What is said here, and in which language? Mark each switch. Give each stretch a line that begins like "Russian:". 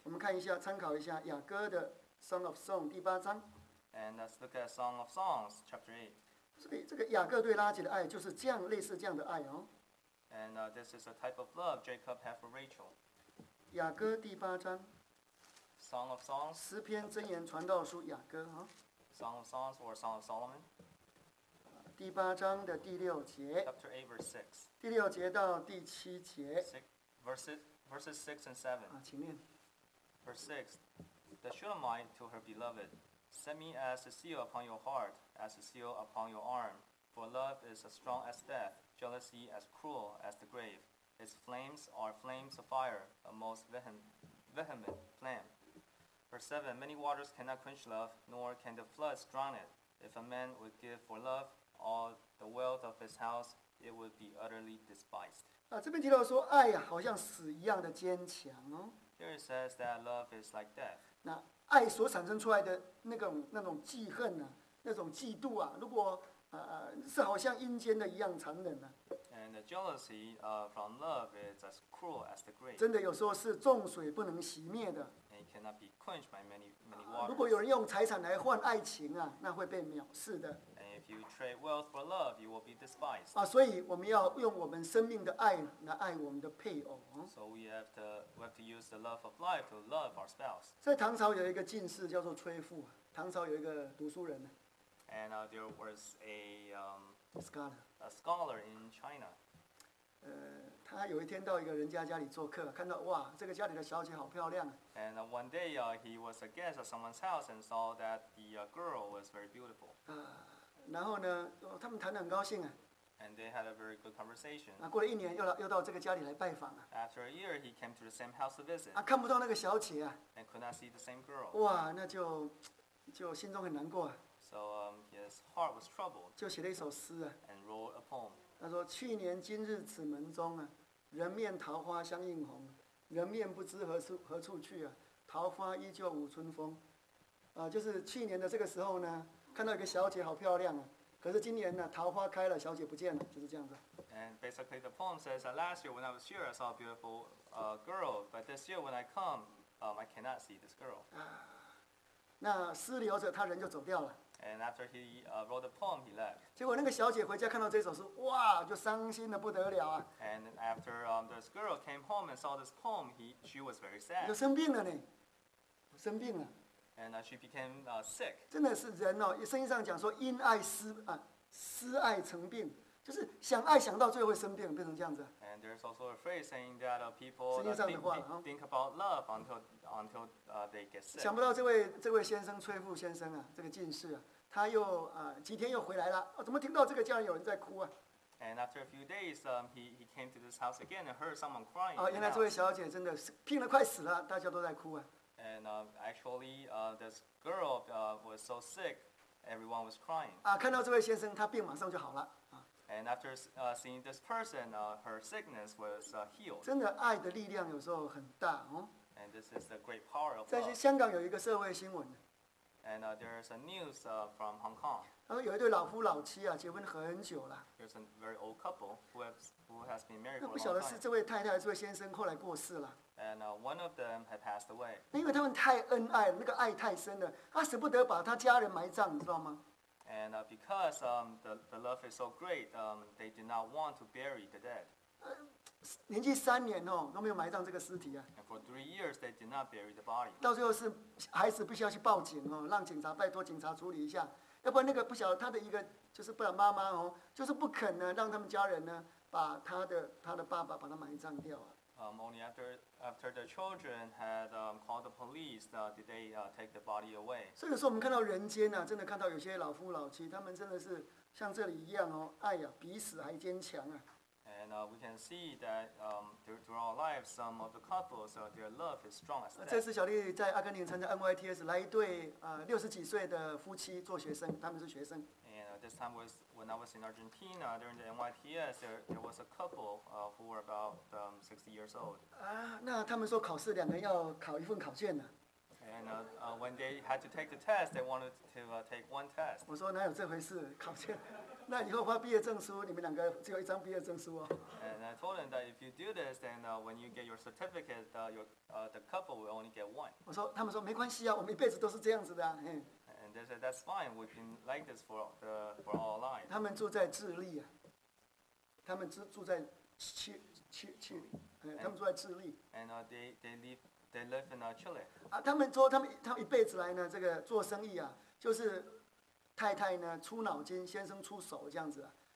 Chinese: 我们看一下，参考一下雅各的《Song of Song》第八章。
English: And let's look at Song of Songs, chapter 8.
Chinese: 所以这个雅各对拉结的爱就是这样，类似这样的爱哦。
English: And this is a type of love Jacob had for Rachel.
Chinese: 雅各第八章。
English: Song of Songs.
Chinese: 诗篇箴言传道书雅歌哈。
English: Song of Songs or Song of Solomon.
Chinese: 第八章的第六节。
English: Chapter 8, verse 6.
Chinese: 第六节到第七节。
English: Verses 6 and 7.
Chinese: 请念。
English: Verse 6. The Shulamite to her beloved, set me as a seal upon your heart, as a seal upon your arm. For love is as strong as death, jealousy as cruel as the grave. Its flames are flames of fire, a most vehement flame. Verse 7, many waters cannot quench love, nor can the floods drown it. If a man would give for love all the wealth of his house, it would be utterly despised.
Chinese: 这边提到说爱好像死一样的坚强哦。
English: Here it says that love is like death.
Chinese: 那爱所产生出来的那种记恨啊，那种嫉妒啊，如果是好像阴间的一样残忍啊。
English: And the jealousy from love is as cruel as the grave.
Chinese: 真的有时候是重水不能熄灭的。
English: Cannot be quenched by many waters.
Chinese: 如果有人用财产来换爱情啊，那会被藐视的。
English: And if you trade wealth for love, you will be despised.
Chinese: 所以我们要用我们生命的爱来爱我们的配偶。
English: So we have to use the love of life to love our spouse.
Chinese: 在唐朝有一个进士叫做崔复，唐朝有一个读书人。
English: And there was a scholar. A scholar in China.
Chinese: 他有一天到一个人家家里做客，看到哇，这个家里的小姐好漂亮啊。
English: And one day, he was a guest at someone's house and saw that the girl was very beautiful.
Chinese: 然后呢，他们谈得很高兴啊。
English: And they had a very good conversation.
Chinese: 过了一年，又到这个家里来拜访啊。
English: After a year, he came to the same house to visit.
Chinese: 看不到那个小姐啊。
English: And could not see the same girl.
Chinese: 哇，那就心中很难过啊。
English: So his heart was troubled.
Chinese: 就写了一首诗啊。
English: And wrote a poem.
Chinese: 他说：“去年今日此门中啊，人面桃花相映红，人面不知何处去啊，桃花依旧舞春风。” 啊，就是去年的这个时候呢，看到一个小姐好漂亮啊，可是今年呢，桃花开了，小姐不见了，就是这样子。
English: And basically, the poem says that last year when I was here, I saw a beautiful girl, but this year when I come, I cannot see this girl.
Chinese: 那诗留着，他人就走掉了。
English: And after he wrote the poem, he left.
Chinese: 结果那个小姐回家看到这首诗，哇，就伤心的不得了啊。
English: And after this girl came home and saw this poem, she was very sad.
Chinese: 就生病了呢，生病了。
English: And she became sick.
Chinese: 真的是人哦，圣经上讲说因爱思啊，思爱成病，就是想爱想到最后会生病，变成这样子。
English: And there's also a phrase saying that people think about love until they get sick.
Chinese: 想不到这位先生崔富先生啊，这个进士啊，他又几天又回来了，怎么听到这个家人有人在哭啊
English: ？And after a few days, he came to this house again and heard someone crying.
Chinese: 原来这位小姐真的是病了快死了，大家都在哭啊。
English: And actually, this girl was so sick, everyone was crying.
Chinese: 看到这位先生，他病马上就好了。
English: And after seeing this person, her sickness was healed.
Chinese: 真的，爱的力量有时候很大哦。
English: And this is the great power of love.
Chinese: 在香港有一个社会新闻。
English: And there's a news from Hong Kong.
Chinese: 他说有一对老夫老妻啊，结婚很久了。
English: There's a very old couple who has been married for a long time.
Chinese: 不晓得是这位太太还是这位先生后来过世了。
English: And one of them had passed away.
Chinese: 因为他们太恩爱了，那个爱太深了，他舍不得把他家人埋葬，你知道吗？
English: And because the love is so great, they did not want to bury the dead.
Chinese: 年纪三年哦，都没有埋葬这个尸体啊。
English: And for 3 years, they did not bury the body.
Chinese: 到最后是孩子必须要去报警哦，让警察拜托警察处理一下，要不然那个不晓得他的一个就是不然妈妈哦，就是不肯呢让他们家人呢把他的爸爸把他埋葬掉啊。
English: Only after the children had called the police, did they take the body away?
Chinese: 所以说我们看到人间啊，真的看到有些老夫老妻，他们真的是像这里一样哦，爱呀、比死还坚强啊。
English: And we can see that through our lives, some of the couples, their love is strong as that.
Chinese: 这次小丽在阿根廷参加 NYTS， 来一对六十几岁的夫妻做学生，他们是学生。
English: This time was when I was in Argentina during the NYTS. There was a couple who were about 60 years old.
Chinese: 那他们说考试两个人要考一份考卷呢。
English: And when they had to take the test, they wanted to take one test.
Chinese: 我说哪有这回事？考卷？那以后发毕业证书，你们两个只有一张毕业证书哦。
English: And I told them that if you do this, then when you get your certificate, the couple will only get one.
Chinese: 我说他们说没关系啊，我们一辈子都是这样子的、啊。
English: And they said, that's fine, we've been like this for all our lives.
Chinese: 他们住在智利啊，他们住在Chile,
English: and,
Chinese: 他们住在智利。
English: And they live in Chile.
Chinese: 他们说他们一辈子来呢，这个做生意啊，就是太太呢出脑筋，先生出手这样子啊。